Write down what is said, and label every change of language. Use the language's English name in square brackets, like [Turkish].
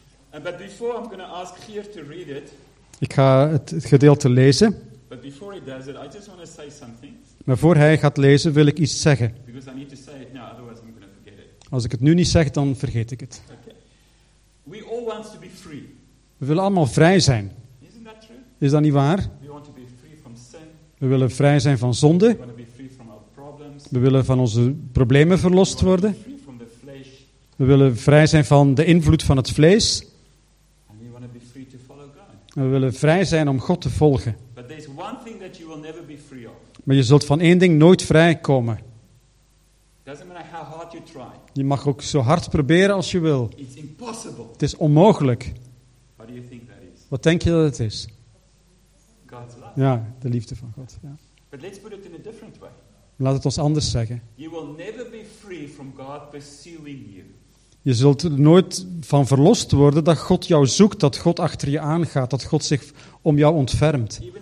[English] And but before I'm going to ask Geer to read it. [Dutch] Ik ga het gedeelte lezen. [English] But before he does it, I just want to say something. [Dutch] Maar voor hij gaat lezen, wil ik iets zeggen. [English] Because I need to say it now, otherwise I'm going to forget it. [Dutch] Als ik het nu niet zeg, dan vergeet ik het. [English] Okay. We all want to be free. [Dutch] We willen allemaal vrij zijn. [English] Isn't that true? [Dutch] Is dat niet waar? [English] We want to be free from sin. [Dutch] We willen vrij zijn van zonde. [English] We want to be free from our problems. [Dutch] We willen van onze problemen verlost worden. [English] We want to be free from the flesh. [Dutch] We willen vrij zijn van de invloed van het vlees. [English] And we want to be free to follow God. [Dutch] En we willen vrij zijn om God te volgen. [English] One thing that you will never be free of. [Dutch] Maar je zult van één ding nooit vrij komen. [English] Doesn't matter how hard you try. [Dutch] Je mag ook zo hard proberen als je wil. [English] It's impossible. [Dutch] Het is onmogelijk. [English] What do you think that is? [Dutch] Wat denk je dat het is? [English] God's love. [Dutch] Ja, de liefde van God. Ja. [English] But let's put it in a different way. [Dutch] Laat het ons anders zeggen. [English] You will never be free from God pursuing you. [Dutch] Je zult er nooit van verlost worden dat God jou zoekt, dat God achter je aangaat, dat God zich om jou ontfermt.